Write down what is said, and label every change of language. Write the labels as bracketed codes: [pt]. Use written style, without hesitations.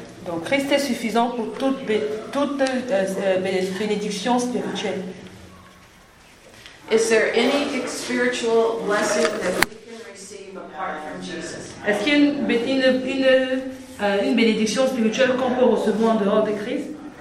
[fr] Donc, Christ est suffisant pour toute bénédiction spirituelle. [en] Is there any spiritual blessing that we can receive apart from Jesus? [fr] Est-ce qu'il y a une bénédiction spirituelle qu'on peut recevoir en dehors de Christ?